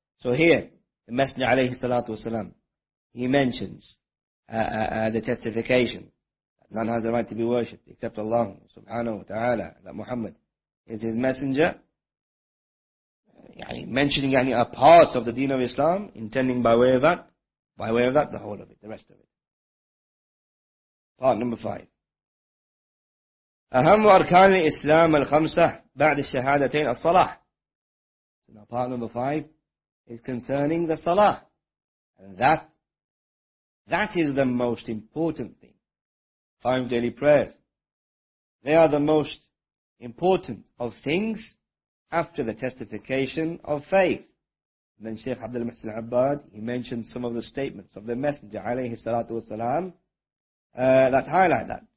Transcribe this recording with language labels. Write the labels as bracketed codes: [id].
[en] So here, the Messenger alayhi salatu wasalam, he mentions the testification that none has the right to be worshipped except Allah subhanahu wa ta'ala, that Muhammad is his messenger. Mentioning a part of the deen of Islam, intending by way of that, the whole of it, the rest of it. Part number 5. [ar] أهم أركان الإسلام الخمسة بعد الشهادتين الصلاح. [en] Now part number 5 is concerning the salah. And that is the most important thing. 5 daily prayers. They are the most important of things after the testification of faith. And then Shaykh Abdul Muhsin Abbad, he mentioned some of the statements of the Messenger alayhi salatu wasalam that highlight that.